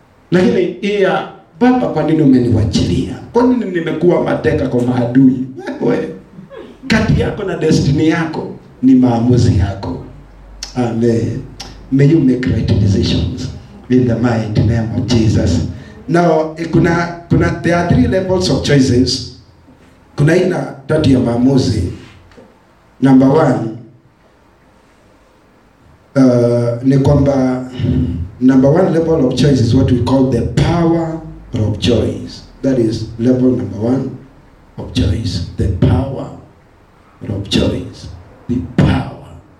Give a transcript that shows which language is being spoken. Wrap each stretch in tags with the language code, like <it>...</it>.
<sw>Lakini ya baba, kwa nini umeniwachilia? Kwa nini nimekuwa mateka kwa maadui? Kati yako na destiny yako ni maamuzi yako. Amen.</sw> <en>May you make right decisions in the mighty name of Jesus. Now, there are three levels of choices.</en> <sw>Kuna ina tatu ya maamuzi.</sw> <en>Number one,</en> <sw>ni kwamba,</sw> <en>number one level of choice is what we call the power of choice. That is level number one of choice. The power of choice. The power.</en>